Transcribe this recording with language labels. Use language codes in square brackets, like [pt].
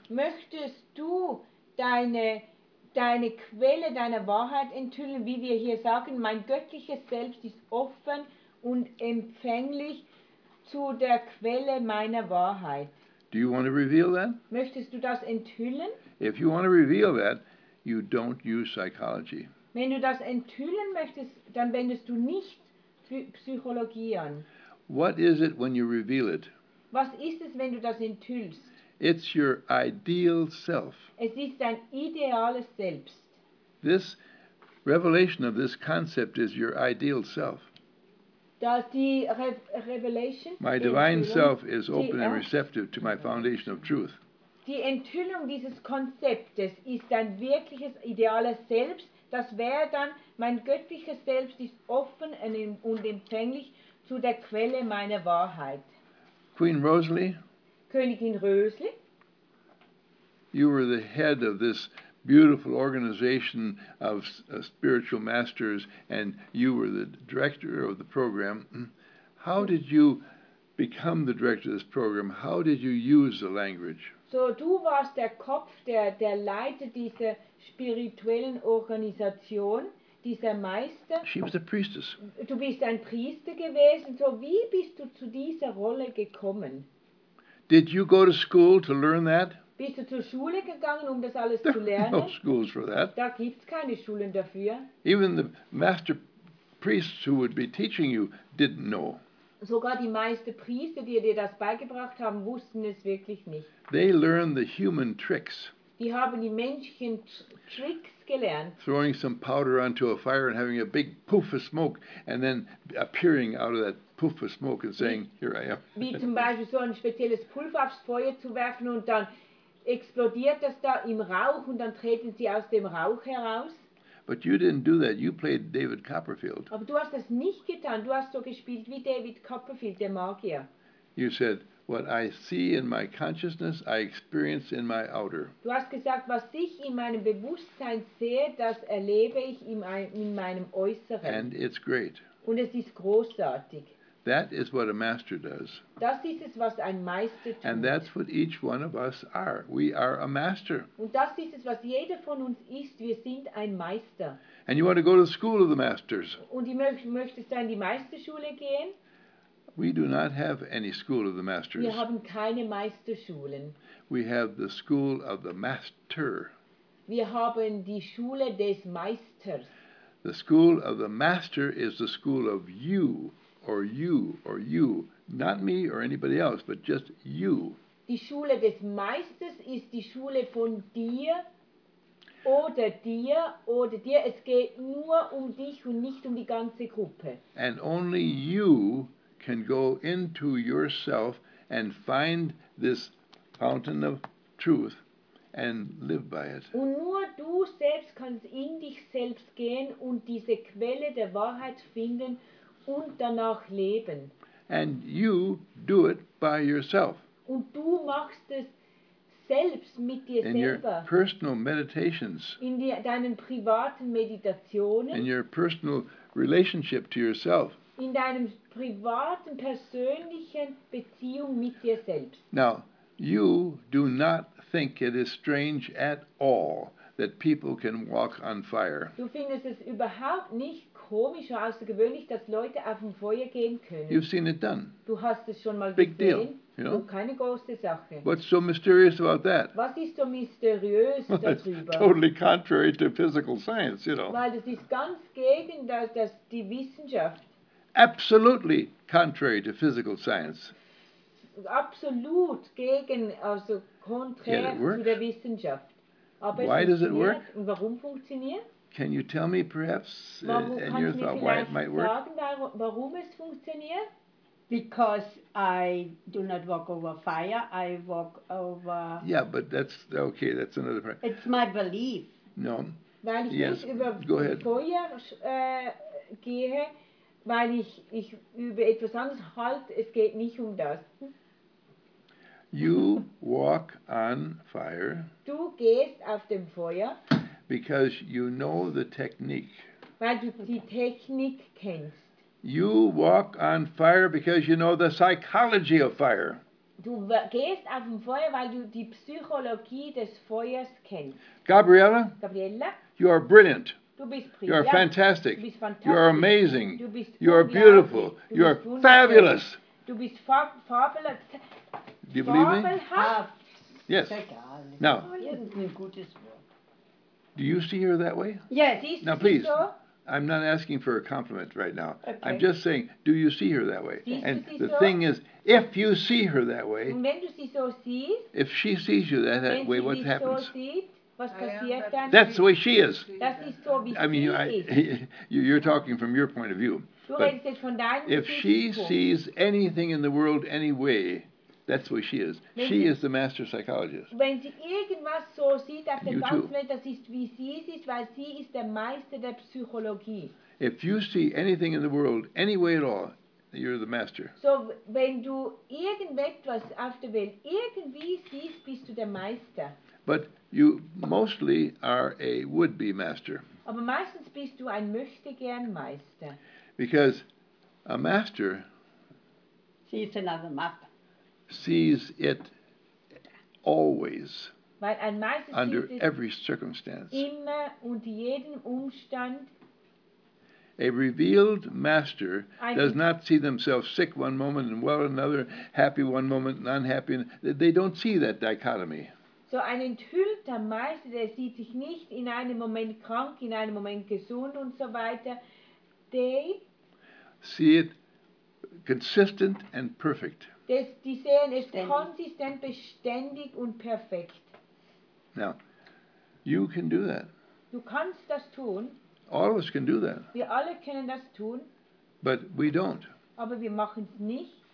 [de] Möchtest du deine Quelle deiner Wahrheit enthüllen, wie wir hier sagen, mein göttliches Selbst ist offen und empfänglich zu der Quelle meiner Wahrheit? [en] Do you want to reveal that? [de] Möchtest du das enthüllen? [en] If you want to reveal that, you don't use psychology. [de] Wenn du das enthüllen möchtest, dann wendest du nicht Psychologie an. [en] What is it when you reveal it? [de] Was ist es, wenn du das enthüllst? [en] It's your ideal self. [de] Es ist dein ideales Selbst. [en] This revelation of this concept is your ideal self. [de] Das die Revelation. [en] My divine self is open and receptive to my foundation of truth. [de] Die Enthüllung dieses Konzeptes ist dein wirkliches ideales Selbst. Das wäre dann, mein göttliches Selbst ist offen und empfänglich zu der Quelle meiner Wahrheit. [en] Queen Rosalie. [de] Königin Rösli. [en] You were the head of this beautiful organization of spiritual masters, and you were the director of the program. How did you become the director of this program? How did you use the language? [de] So, du warst der Kopf, der Leiter dieser spirituellen Organisation, dieser Meister. [en] She was a priestess. [de] Du bist ein Priester gewesen. So, wie bist du zu dieser Rolle gekommen? [en] Did you go to school to learn that? [de] Bist du zur Schule gegangen, um das alles zu lernen? [en] No schools for that. [de] Da gibt's keine Schulen dafür. [en] Even the master priests who would be teaching you didn't know. [de] Sogar die Meisterpriester, die dir das beigebracht haben, wussten es wirklich nicht. [en] They learned the human tricks. [de] Die haben die menschlichen Tricks gelernt. [en] Throwing some powder onto a fire and having a big poof of smoke and then appearing out of that poof of smoke and saying, here I am. [de] Wie zum Beispiel so ein spezielles Pulver aufs Feuer zu werfen und dann explodiert das da im Rauch und dann treten sie aus dem Rauch heraus. [en] But you didn't do that. You played David Copperfield. [de] Aber du hast das nicht getan. Du hast so gespielt wie David Copperfield, der Magier. [en] You said, what I see in my consciousness, I experience in my outer. [de] Du hast gesagt, was ich in meinem Bewusstsein sehe, das erlebe ich in meinem Äußeren. [en] And it's great. [de] Und es ist großartig. [en] That is what a master does. [de] Das ist es, was ein Meister tut. [en] And that's what each one of us are. We are a master. [de] Und das ist es, was jeder von uns ist. Wir sind ein Meister. [en] And you want to go to the school of the masters. [de] Und du möchtest dann die Meisterschule gehen? [en] We do not have any school of the masters. [de] Wir haben keine Meisterschulen. [en] We have the school of the master. [de] Wir haben die Schule des Meisters. [en] The school of the master is the school of you. Or you, or you. Not me or anybody else, but just you. [de] Die Schule des Meisters ist die Schule von dir oder dir oder dir. Es geht nur um dich und nicht um die ganze Gruppe. [en] And only you can go into yourself and find this fountain of truth and live by it. [de] Und nur du selbst kannst in dich selbst gehen und diese Quelle der Wahrheit finden und danach leben. [en] And you do it by yourself. [de] Und du machst es selbst mit dir in selber. [en] In your personal meditations. [de] In deinen privaten Meditationen. [en] In your personal relationship to yourself. [de] In deinem privaten persönlichen Beziehung mit dir selbst. [en] Now, you do not think it is strange at all that people can walk on fire. [de] Du findest es überhaupt nicht komisch und außergewöhnlich, dass Leute auf dem Feuer gehen können. [en] You've seen it done. [de] Du hast es schon mal [en] Big [de] gesehen. [en] Deal, you know? [de] Keine große Sache. [en] What's so mysterious about that? [de] Was ist so mysteriös darüber? [en] Totally contrary to physical science, you know. [de] Weil das ist ganz gegen das die Wissenschaft. [en] Absolutely contrary to physical science. [de] Absolut gegen, also konträr zu der Wissenschaft. Aber [en] why does it work? [de] Und warum funktioniert? [en] Can you tell me, perhaps, in your thought, why it might work? [de] Sagen, warum es funktioniert? [en] Because I do not walk over fire, I walk over... Yeah, but that's, okay, that's another part. It's my belief. No. [de] Weil ich [en] yes, go ahead. [de] Feuer gehe, weil ich über etwas anderes halte, es geht nicht um das. [en] You walk on fire. [de] Du gehst auf dem Feuer. [en] Because you know the technique. [de] Weil du die Technik kennst. [en] You walk on fire because you know the psychology of fire. [de] Du gehst auf dem Feuer, weil du die Psychologie des Feuers kennst. [en] Gabriella, you are brilliant. [de] Du bist brillant. [en] You are fantastic. [de] Du bist fantastisch. [en] You are amazing. [de] Du bist [en] you are beautiful. [de] Du [en] you [de] bist [en] are fabulous. [de] Du bist [en] fabulous. Do you believe me? Yes. No. [de] Irgendein gutes Wort. [en] Do you see her that way? Yes. Now, please, I'm not asking for a compliment right now. Okay. I'm just saying, do you see her that way? [de] Siehst [en] and [de] du sie [en] the [de] so? [en] Thing is, if you see her that way, [de] und wenn du sie so siehst, [en] if she sees you that [de] wenn [en] way, [de] sie [en] what happens? [de] So sieht, was passiert dann? [en] That's the way she is. [de] Das ist so, wie [en] I mean, you're talking from your point of view. [de] Du redest jetzt von deinem [en] if she sees anything in the world anyway, that's the way she is. [de] Wenn [en] she is the master psychologist. [de] Wenn sie irgendwas so sieht auf der ganzen Welt, das ist wie sie es ist, weil sie ist der Meister der Psychologie. [en] If you see anything in the world, any way at all, you're the master. [de] So, wenn du irgendetwas auf der Welt irgendwie siehst, bist du der Meister. [en] But you mostly are a would-be master. [de] Aber meistens bist du ein möchtegern Meister. [en] Because a master sees another master. Sees it always [de] weil ein Meister [en] under [de] sieht es [en] every circumstance. [de] Immer und jeden Umstand. [en] A revealed master does not see themselves sick one moment and well another, happy one moment and unhappy. They don't see that dichotomy. [de] So ein enthüllter Meister, der sieht sich nicht in einem Moment krank, in einem Moment gesund und so weiter. [en] They see it consistent and perfect. [de] Die sehen es konsistent, beständig und perfekt. [en] Now, you can do that. [de] Du kannst das tun. [en] All of us can do that. [de] Wir alle können das tun. [en] But we don't. [de] Aber wir machen es nicht.